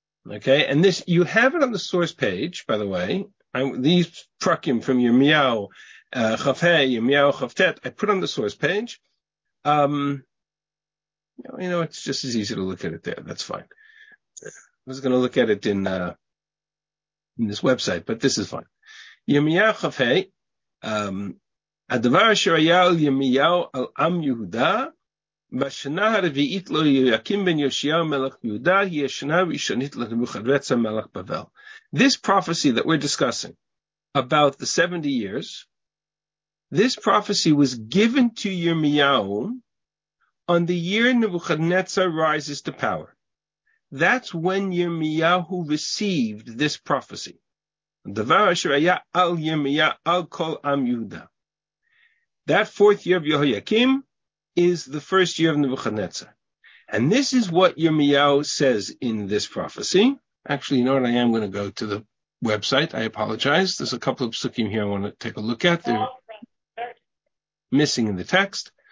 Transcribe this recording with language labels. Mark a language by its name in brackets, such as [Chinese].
[English] Okay, and this, you have it on the source page, by the way. These prakim from Yirmiyahu, Chafei, Yirmiyahu Chavtet, I put on the source page. It's just as easy to look at it there. That's fine. I was going to look at it in this website, but this is fine. [Hebrew] Yirmiyahu Chafei, הדבר אשר היה על ימיהו על עם יהודה, בשנה הרביעית לו יקים בן יושיהו מלך יהודה, היא השנה הראשונית לנבוכדנצר מלך בבל. [English] This prophecy that we're discussing about the 70 years, this prophecy was given to Yirmiyahu on the year Nebuchadnezzar rises to power. That's when Yirmiyahu received this prophecy. [Hebrew] הדבר אשר היה על ימיהו על כל עם יהודה. [English] That fourth year of Jehoiakim is the first year of Nebuchadnezzar. And this is what Yirmiyahu says in this prophecy. Actually, you know what? I am going to go to the website. I apologize. There's a couple of psukim here I want to take a look at. They're missing in the text.